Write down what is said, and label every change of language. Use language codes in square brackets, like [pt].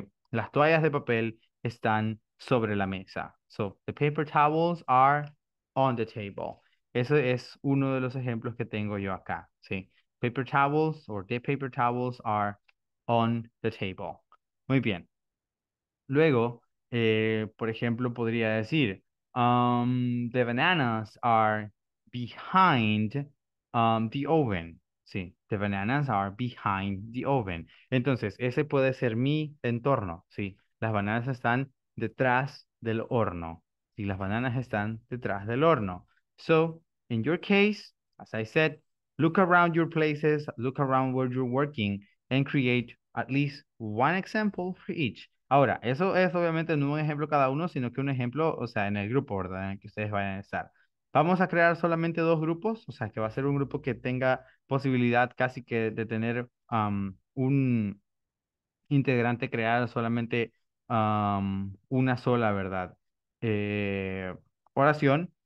[es] Las toallas de papel están sobre la mesa. [en] So, the paper towels are on the table. [es] Eso es uno de los ejemplos que tengo yo acá, ¿sí? [en] Paper towels or the paper towels are on the table. [es] Muy bien. Luego, por ejemplo, podría decir, [en] the bananas are behind the oven. [es] Sí, [en] the bananas are behind the oven. [es] Entonces, ese puede ser mi entorno, ¿sí? Las bananas están detrás del horno. Y ¿sí? Las bananas están detrás del horno. [en] So, in your case, as I said, look around your places, look around where you're working, and create at least one example for each. [es] Ahora, eso es obviamente no un ejemplo cada uno, sino que un ejemplo, o sea, en el grupo, ¿verdad? En el que ustedes vayan a estar. Vamos a crear solamente dos grupos, o sea, que va a ser un grupo que tenga posibilidad casi que de tener un integrante creado solamente una sola, ¿verdad? Oración.